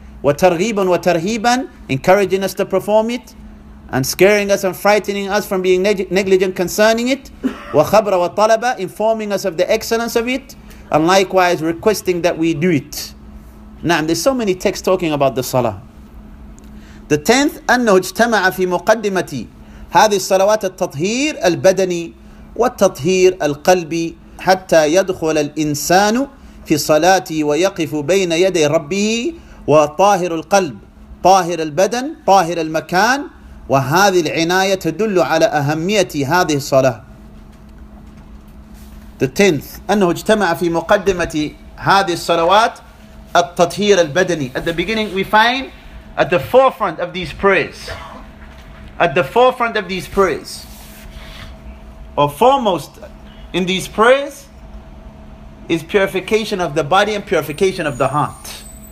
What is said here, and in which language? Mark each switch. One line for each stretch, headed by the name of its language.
Arabic: وَتَرْغِيبًا وَتَرْهِيبًا,
English: encouraging us to perform it, and scaring us and frightening us from being negligent concerning it.
Arabic: وَخَبْرَ وَطَلَبًا,
English: informing us of the excellence of it, and likewise requesting that we do it. Now, there's so many texts talking about the salah. The tenth,
Arabic: أَنَّهُ اجْتَمَعَ فِي مُقَدِّمَتِي هَذِي الصَّلَوَاتِ التَّطْهِيرِ الْبَدَنِي وَالتَّطْهِيرِ الْقَلْبِ حَتَّى يَدْخُلَ الْإِنسَانُ فِي صَلَاتِي وَيَقِفُ بَيْنَ يَدَيْ رَبِّهِ وطاهر القلب طاهر البدن طاهر المكان وهذه العناية تدل على أهمية هذه الصلاة.
English: The tenth,
Arabic: أنه اجتمع في مقدمة هذه الصلوات التطهير البدني.
English: At the beginning we find at the forefront of these prayers, at the forefront of these prayers, or foremost in these prayers, is purification of the body and purification of the heart.